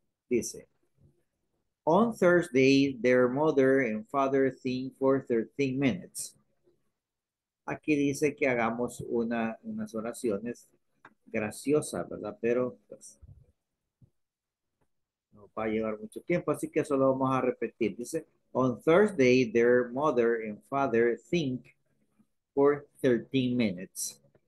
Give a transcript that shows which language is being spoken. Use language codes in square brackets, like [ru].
[es] Dice, [en] on Thursday, their mother and father think for 13 minutes. [es] Aquí dice que hagamos unas oraciones graciosas, ¿verdad? Pero pues, no va a llevar mucho tiempo, así que solo vamos a repetir. Dice, [en] on Thursday, their mother and father think for 13 minutes.